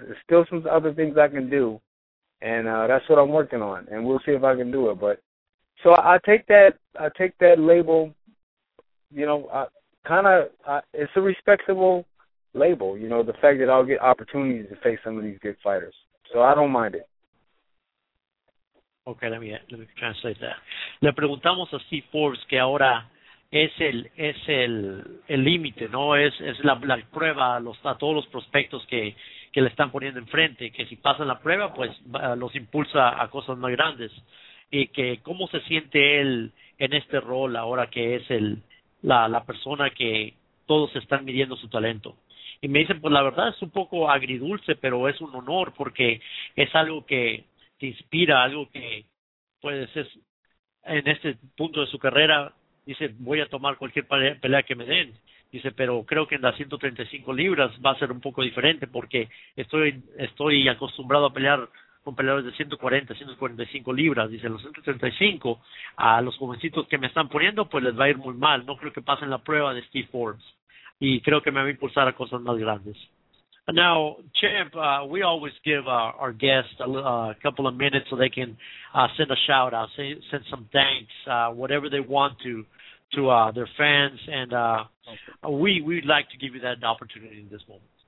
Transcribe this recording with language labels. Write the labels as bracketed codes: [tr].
[en] There's still some other things I can do, and that's what I'm working on. And we'll see if I can do it. But so I take that label, you know, it's a respectable label, you know, the fact that I'll get opportunities to face some of these good fighters. So I don't mind it. Okay, let me translate that. [es] Le preguntamos a Steve Forbes que ahora es el límite, ¿no? Es la prueba a todos los prospectos que le están poniendo enfrente, que si pasan la prueba, pues los impulsa a cosas más grandes. Y que cómo se siente él en este rol ahora que es la persona que todos están midiendo su talento. Y me dicen, pues la verdad es un poco agridulce, pero es un honor porque es algo que te inspira, algo que puedes es en este punto de su carrera. Dice, voy a tomar cualquier pelea que me den. Dice, pero creo que en las 135 libras va a ser un poco diferente porque estoy acostumbrado a pelear con peleadores de 140, 145 libras. Dice, los 135, a los jovencitos que me están poniendo, pues les va a ir muy mal. No creo que pasen la prueba de Steve Forbes. Y creo que me va a impulsar a cosas más grandes. [en] Now, champ, we always give our guests a couple of minutes so they can send a shout out, send some thanks, whatever they want to their fans, and we'd like to give you that opportunity in this moment.